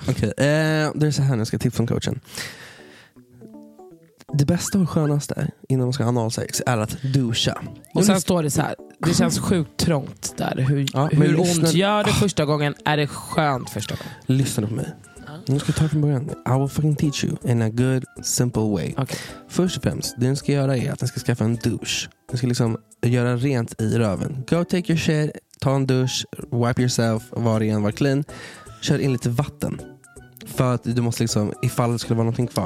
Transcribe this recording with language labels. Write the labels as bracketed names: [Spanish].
[Swedish] Okej, det är så här nu, jag ska tipsa om coachen. Det bästa och skönaste innan man ska ha analsex är att duscha. Och sen står det så här, det känns sjukt trångt där. Hur ont gör det första gången? Är det skönt första gången? Lyssna på mig. Nu ska jag ta från början. [English] I will fucking teach you in a good, simple way. Okay. [Swedish] Först och främst, det du ska göra är att du ska skaffa en dusch. Du ska liksom göra rent i röven. [English] Go take your shit, [Swedish] ta en dusch, [English] wipe yourself, [Swedish] var ren, [English] var clean. [Swedish] Kör in lite vatten. För att du måste liksom, ifall det skulle vara någonting kvar.